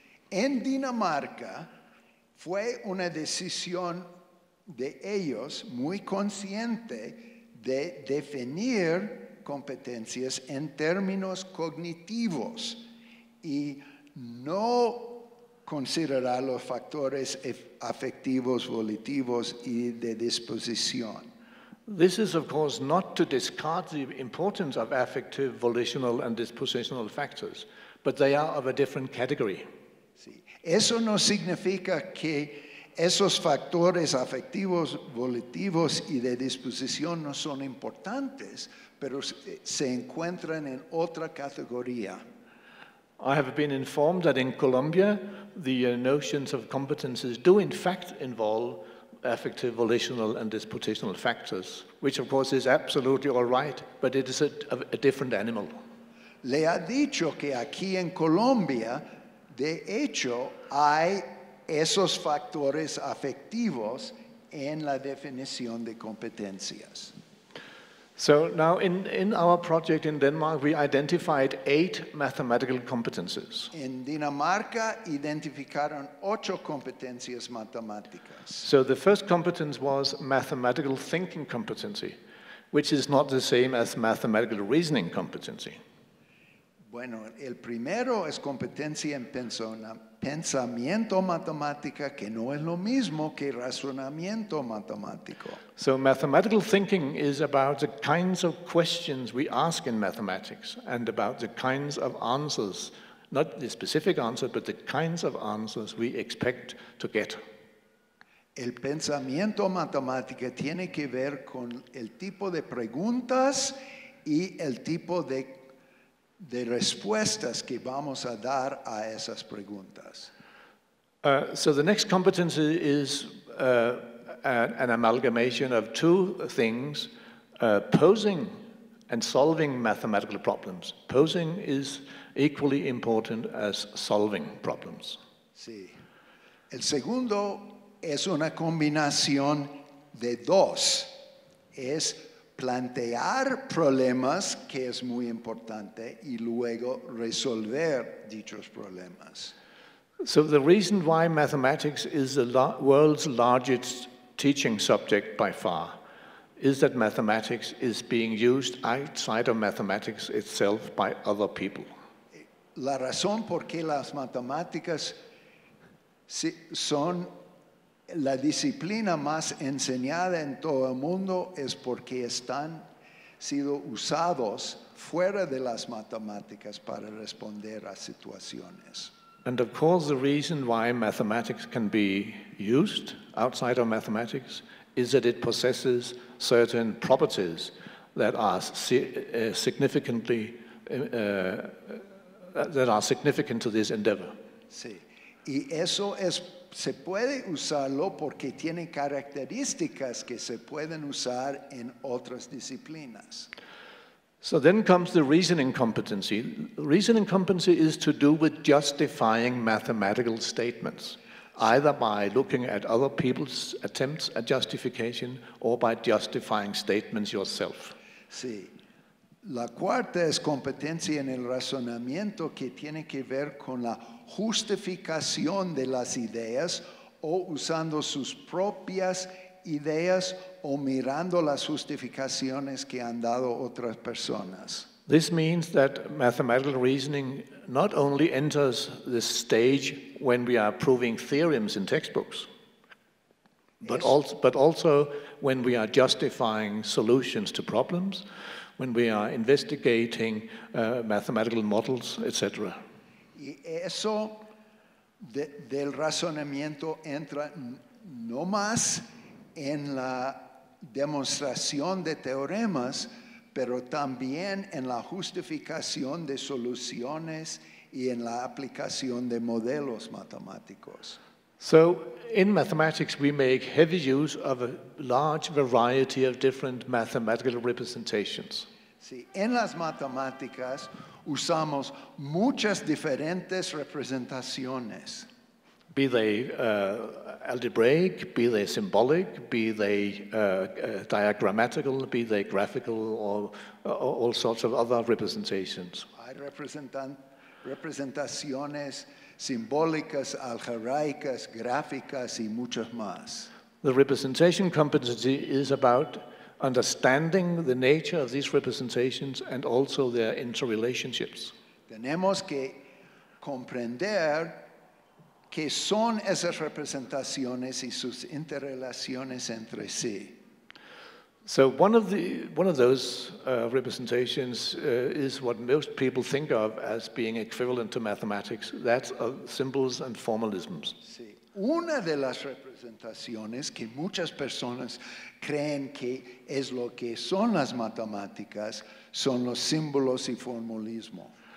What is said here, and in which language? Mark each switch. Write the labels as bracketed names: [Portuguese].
[Spanish] En Dinamarca fue una decisión de ellos muy consciente de definir competencias en términos cognitivos y no considerar los factores afectivos, volitivos y de disposición. [English] This is, of course, not to discard the importance of affective, volitional, and dispositional factors, but they are of a different category. [Spanish] Sí. Eso no significa que esos factores afectivos, volitivos y de disposición no son importantes, pero se encuentran en otra categoría. [English] I have been informed that in Colombia, the notions of competences do in fact involve affective, volitional, and dispositional factors, which of course is absolutely all right, but it is a different animal. [Spanish] Le ha dicho que aquí en Colombia, de hecho, hay esos factores afectivos en la definición de competencias. [English] So now, in our project in Denmark, we identified 8 mathematical competences. [Spanish] En Dinamarca, identificaron 8 competencias matemáticas. [English] So the first competence was mathematical thinking competency, which is not the same as mathematical reasoning competency. [Spanish] Bueno, el primero es competencia en pensamiento matemática, que no es lo mismo que razonamiento matemático. [English] So mathematical thinking is about the kinds of questions we ask in mathematics and about the kinds of answers, not the specific answers, but the kinds of answers we expect to get. [Spanish] El pensamiento matemático tiene que ver con el tipo de preguntas y el tipo de respuestas que vamos a dar a esas preguntas. [English] So the next competency is an amalgamation of 2 things, posing and solving mathematical problems. Posing is equally important as solving problems. [Spanish] Sí. El segundo es una combinación de 2. Es plantear problemas, que es muy importante, y luego resolver dichos problemas. [English] So the reason why mathematics is the world's largest teaching subject by far is that mathematics is being used outside of mathematics itself by other people. [Spanish] La razón por qué las matemáticas son la disciplina más enseñada en todo el mundo es porque están sido usados fuera de las matemáticas para responder a situaciones. [English] And of course, the reason why mathematics can be used outside of mathematics is that it possesses certain properties that are significant to this endeavor. [Spanish] Sí. Y eso es, se puede usarlo porque tiene características que se pueden usar en otras disciplinas. [English] So then comes the reasoning competency. Reasoning competency is to do with justifying mathematical statements, either by looking at other people's attempts at justification or by justifying statements yourself. [Spanish] Sí. La cuarta es competencia en el razonamiento que tiene que ver con la justificación de las ideas o usando sus propias ideas o mirando las justificaciones que han dado otras personas. [English] This means that mathematical reasoning not only enters the stage when we are proving theorems in textbooks, but also when we are justifying solutions to problems, when we are investigating mathematical models, etc. [Spanish] Y eso del razonamiento entra no más en la demostración de teoremas, pero también en la justificación de soluciones y en la aplicación de modelos matemáticos. [English] So, in mathematics, we make heavy use of a large variety of different mathematical representations. [Spanish] Sí, en las matemáticas usamos muchas diferentes representaciones. [English] Be they algebraic, be they symbolic, be they diagrammatical, be they graphical, or all sorts of other representations. [Spanish] Hay representaciones simbólicas, algebraicas, gráficas, y muchas más. [English] The representation competency is about understanding the nature of these representations and also their interrelationships. [Spanish] Tenemos que comprender qué son esas representaciones y sus interrelaciones entre sí. [English] So one of those representations is what most people think of as being equivalent to mathematics. That's of symbols and formalisms. [Spanish] Sí. Una de las representaciones que muchas personas creen que es lo que son las matemáticas son los símbolos y formalismo.